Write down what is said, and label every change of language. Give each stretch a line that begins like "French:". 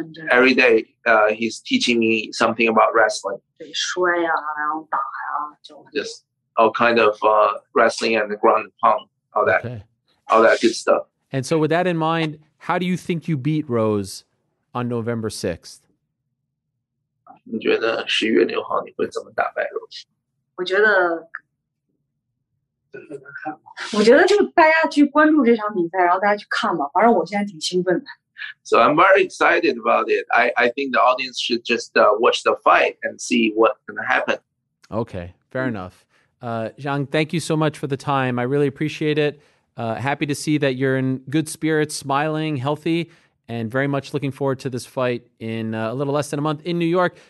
English: every day, he's teaching me something about wrestling.
Chinese: 对,摔啊,然后打啊,
English: just all kind of wrestling and the ground and pound, all that, okay. All that good stuff. And so with that in mind, how do you think you beat Rose on November 6th?
Chinese: 你觉得11月6号你会怎么打败Rose? 我觉得就大家去关注这场比赛，然后大家去看吧。反正我现在挺兴奋的。
English: So I'm very excited about it. I think the audience should just watch the fight and see what's going to happen. Okay, fair enough. Zhang, thank you so much for the time. I really appreciate it. Happy to see that you're in good spirits, smiling, healthy, and very much looking forward to this fight in a little less than a month in New York.